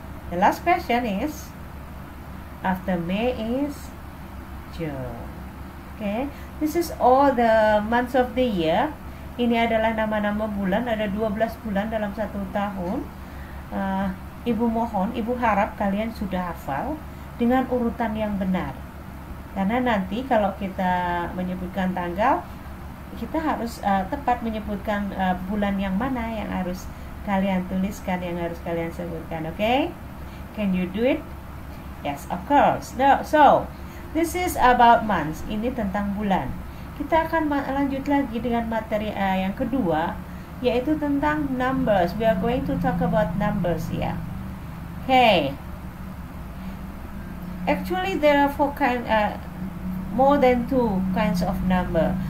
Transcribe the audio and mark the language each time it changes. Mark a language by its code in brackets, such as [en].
[en] The last question is, after May is June. Okay. This is all the months of the year. [id] Ini adalah nama-nama bulan. Ada 12 bulan dalam satu tahun. Ibu mohon, ibu harap kalian sudah hafal dengan urutan yang benar. Karena nanti kalau kita menyebutkan tanggal, kita harus tepat menyebutkan bulan yang mana yang harus kalian tuliskan, yang harus kalian sebutkan, okay? [en] Can you do it? Yes, of course. No, so, this is about months. [id] Ini tentang bulan. Kita akan lanjut lagi dengan materi yang kedua, yaitu tentang numbers. [en] We are going to talk about numbers, ya. Yeah. Okay. Actually, there are 4 kinds, more than 2 kinds of number.